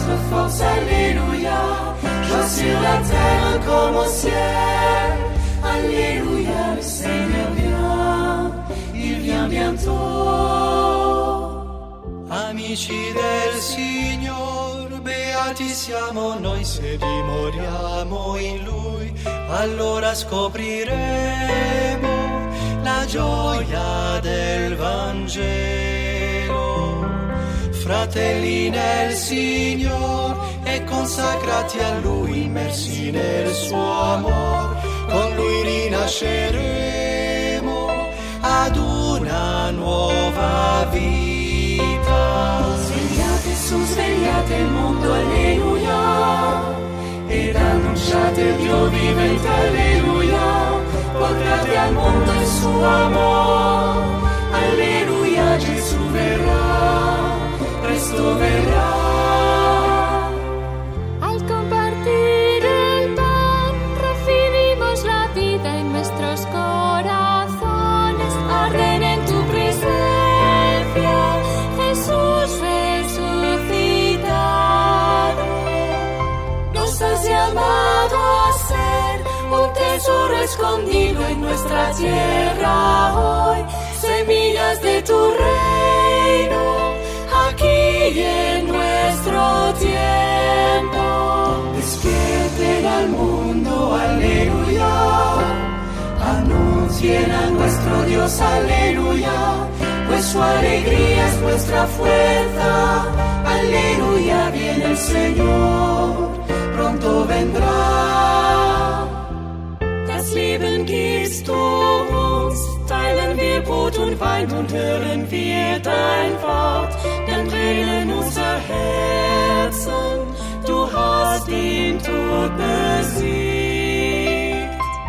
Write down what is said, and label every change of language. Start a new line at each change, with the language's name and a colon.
French: Force, alléluia, joie sur la terre comme au ciel, alléluia, le Seigneur vient, il vient bientôt.
Italian: Amici del Signor, beati siamo noi se dimoriamo in Lui, allora scopriremo la gioia del Vangelo. Fratelli nel Signor e consacrati a Lui, immersi nel Suo amor, con Lui rinasceremo ad una nuova vita. Svegliate su, svegliate il mondo, alleluia, ed annunciate il Dio vivente, alleluia, portate al mondo il Suo amor, alleluia, Gesù verrà.
Spanish: Al compartir el pan recibimos la vida en nuestros corazones. Arden en tu presencia, Jesús resucitado. Nos has llamado a ser un tesoro escondido en nuestra tierra hoy. Semillas de tu reino aquí en nuestro tiempo. Despierten al mundo, alleluia. Anuncien a nuestro Dios, alleluia. Pues su alegría es nuestra fuerza, alleluia. Viene el Señor, pronto vendrá.
German: Das Leben gibst du uns, teilen wir Brot und Wein und hören wir dein Wort. In unser Herzen, du hast den Tod besiegt.